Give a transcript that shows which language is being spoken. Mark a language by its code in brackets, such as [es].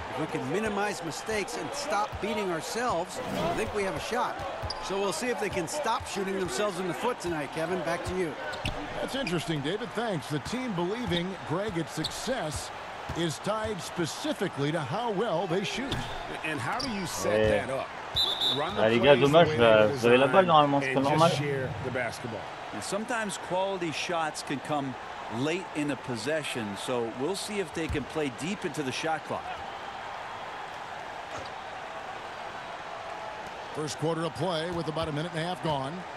[en] We can minimize mistakes and stop beating ourselves. I think we have a shot. So we'll see if they can stop shooting themselves in the foot tonight, Kevin. Back to you. That's interesting, David. Thanks. The team believing, Greg, its success is tied specifically to how well they shoot. And how do you set that up? [fr] Les gars, dommage. Vous avez la balle normalement, c'est pas normal. [en] And sometimes quality shots can come late in a possession. So we'll see if they can play deep into the shot clock. First quarter of play with about a minute and a half gone.